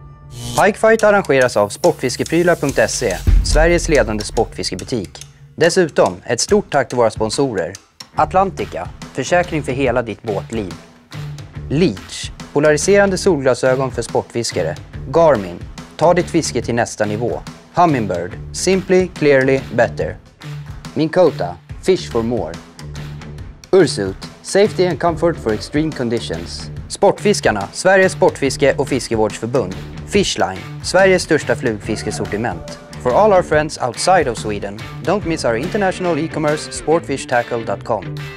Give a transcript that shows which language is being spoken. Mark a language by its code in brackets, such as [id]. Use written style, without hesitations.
[sv] Pikefight arrangeras av sportfiskeprylar.se, Sveriges ledande sportfiskebutik. Dessutom, ett stort tack till våra sponsorer. Atlantica, försäkring för hela ditt båtliv. Leach, polariserande solglasögon för sportfiskare. Garmin, ta ditt fiske till nästa nivå. [en] Hummingbird, simply, clearly, better. Minkota, fish for more. Ursuit, safety and comfort for extreme conditions. [sv] Sportfiskarna, Sveriges sportfiske- och fiskevårdsförbund. Fishline, Sveriges största flugfiskesortiment. [en] For all our friends outside of Sweden, don't miss our international e-commerce sportfishtackle.com.